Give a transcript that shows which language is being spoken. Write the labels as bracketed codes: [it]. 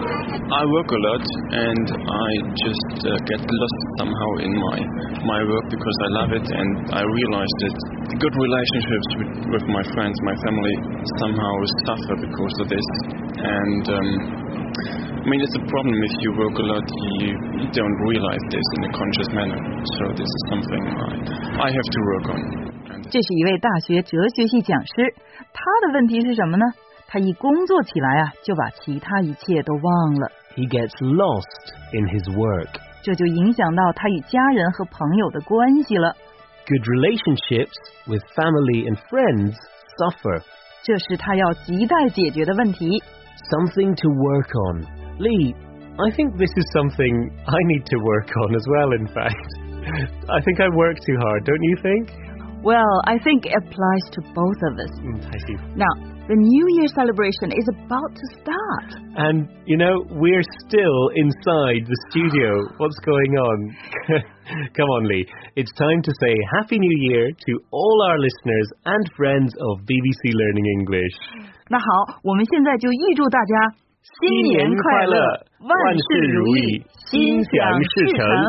[en] I work a lot and I just get lost somehow in my work because I love it and I realized that the good relationships with my friends, my family, somehow suffer because of this. And, I mean, it's a problem if you work a lot, you don't realize this in a conscious manner. So this is something I have to work on. [zh] 这是一位大学哲学系讲师，他的问题是什么呢？他一工作起来啊，就把其他一切都忘了。 [en] He gets lost in his work. [zh] 这就影响到他与家人和朋友的关系了。 [en] Good relationships with family and friends suffer. [zh] 这是他要亟待解决的问题。 [en] Something to work on. Lee, I think this is something I need to work on as well, in fact. I think I work too hard, don't you think? Well, I think it applies to both of us. I see. Now, The New Year celebration is about to start. And, you know, we're still inside the studio. What's going on? Come on, Lee. It's time to say Happy New Year to all our listeners and friends of BBC Learning English. [zh] 那好，我们现在就预祝大家新年快乐，万事如意，心想事成。